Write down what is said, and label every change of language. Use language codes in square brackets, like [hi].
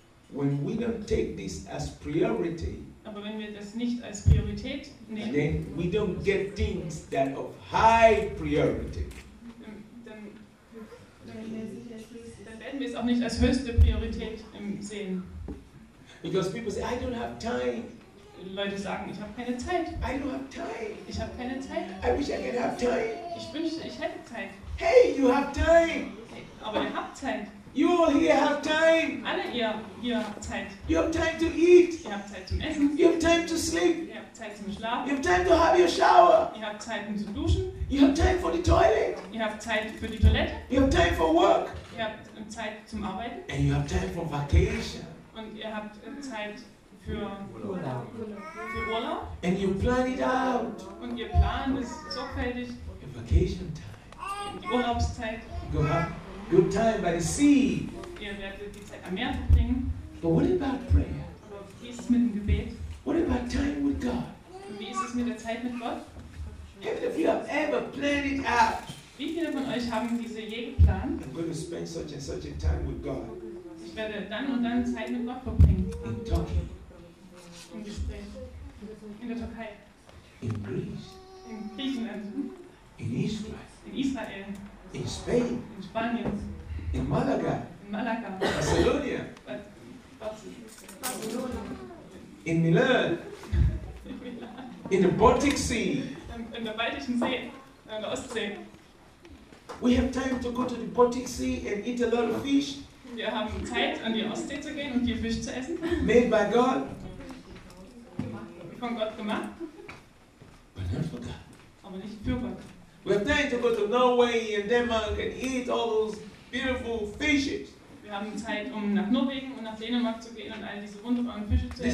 [en] When we don't take this as priority, [de] aber wenn wir das nicht als Priorität nehmen, [en] then we don't get things that of high priority. [de] Dann werden wir es auch nicht als höchste Priorität sehen. [en] Because people say, I don't have time. [de] Leute sagen, ich habe keine Zeit. [en] I don't have time. [de] Ich habe keine Zeit. [en] I wish I could have time. [de] Ich wünschte, ich hätte Zeit. [en] Hey, you have time. [de] Okay, aber ihr habt Zeit. [en] You all here have time. [de] Alle ihr habt Zeit. [en] You have time to eat. [de] Ihr habt Zeit zum Essen. [en] You have time to sleep. [de] Ihr habt Zeit zum Schlafen. [en] You have time to have your shower. [de] Ihr habt Zeit um zu duschen. [en] You have time for the toilet. [de] Ihr habt Zeit für die Toilette. [en] You have time for work. [de] Ihr habt Zeit zum Arbeiten. [en] And you have time for vacation. [de] Und ihr habt Zeit für Urlaub. Für Urlaub. [en] And you plan it out. [de] Und ihr plant es sorgfältig. [en] Your vacation time. [de] Urlaubszeit. [en] Go on. Good time by the sea. [de] Ihr werdet die Zeit am Meer verbringen. [en] But what about prayer? [de] Aber wie ist es mit dem Gebet? [en] What about time with God? [de] Und wie ist es mit der Zeit mit Gott? [en] How many of you have ever planned it out? [de] Wie viele von euch haben diese je geplant? [en] I'm going to spend such and such a time with God. [de] Ich werde dann und dann Zeit mit Gott verbringen. [en] In Turkey. [de] Im Gespräch. In der Türkei. [en] In Greece. [de] In Griechenland. [en] In Israel. [de] In Israel. [en] In Spain. [de] In Spanien. [en] In Malaga. [de] In Malaga. [en] Barcelona. [de] Barcelona. [en] In Milan. [de] In Milan. [en] In the Baltic Sea. [de] In der Baltischen See. In der Ostsee. [en] We have time to go to the Baltic Sea and eat a lot of fish. [de] Wir haben Zeit, an die Ostsee zu gehen und hier Fisch zu essen. [en] Made by God. [de] Von Gott gemacht. [en] But not for God. [de] Aber nicht für Gott. [en] We have time to go to Norway and Denmark and eat all those beautiful fishes. [de] Wir haben Zeit, um nach Norwegen und nach Dänemark zu gehen und all diese wunderbaren Fische zu essen.